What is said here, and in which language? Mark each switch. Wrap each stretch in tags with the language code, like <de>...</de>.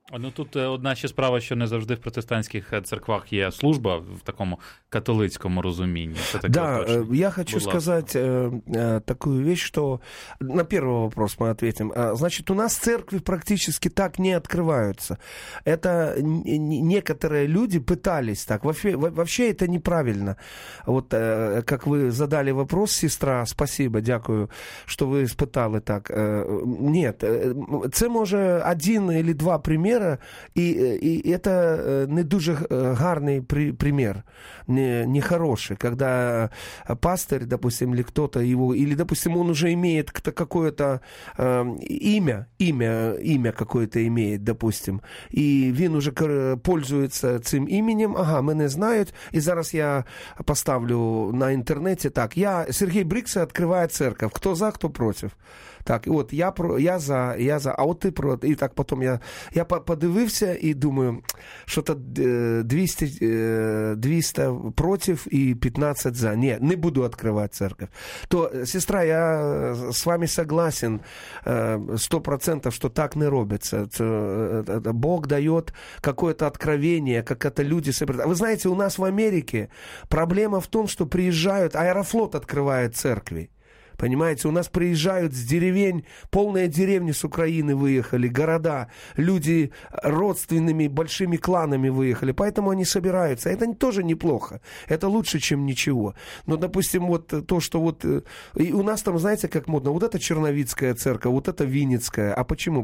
<uk>Ну, тут одна ще справа, що не завжди в протестантських церквах є служба в такому католицькому розумінні. Це таке да, я хочу сказати таку річ, що на перший вопрос ми відповім. Значить, у нас церкви практично так не відкриваються.</uk> <ru>Это некоторые люди пытались так. Вообще это неправильно. Вот как вы задали вопрос, сестра, спасибо, дякую, что вы испытали так. Нет, це може один или два примера.</ru> <uk>І це не дуже гарний примір, не хороший, коли пастор, допустим, или кто-то его, или, допустим, он уже имеет какое-то имя какое-то имеет, допустим, и він уже пользуется цим именем, ага, мене знають, і зараз я поставлю на інтернеті, так, я, Сергій Брикса, відкриває церковь, хто за, хто проти. Так, от я за, а от ти про, і так потім я подивився і думаю, що то 200 проти і 15 за. Ні, не буду відкривати церкву. То сестра, я з вами согласен 100%, що так не робиться. Це Бог дає</uk> <ru>какое-то откровение,</ru> <uk>як это люди собирают. Ви знаєте, у нас в Америці проблема в тому, що приїжджають, Аэрофлот відкриває церкви.</uk> <ru>Понимаете, у нас приезжают с деревень, полные деревни с Украины выехали, города, люди родственными большими кланами выехали, поэтому они собираются. Это тоже неплохо, это лучше, чем ничего. Но, допустим, вот то, что вот... И у нас там, знаете, как модно, вот это Черновицкая церковь, вот это Винницкая. А почему?</ru>